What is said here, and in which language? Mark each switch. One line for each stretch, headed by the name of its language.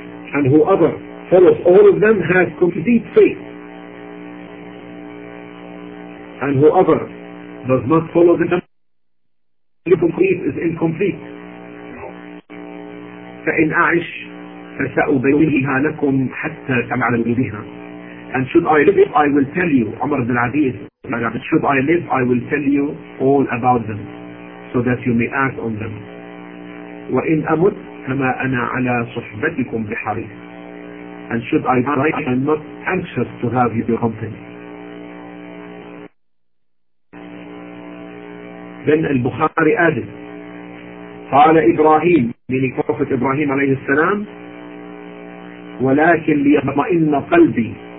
English: And whoever follows all of them has complete faith. And whoever does not follow the complete is incomplete.
Arabic: فإن أعش فسأبينها لكم حتى تعلموا بها.
English: And should I live, I will tell you, Umar ibn Aziz, should I live, I will tell you all about them, so that you may act on them.
Arabic: وإن أمت كما أنا على صحبتكم بحريص.
English: And should I die, I am not anxious to have your company. Then al-Bukhari added,
Arabic: قال إبراهيم,
English: meaning Prophet Ibrahim عليه السلام,
Arabic: ولكن ليطمئن قلبي.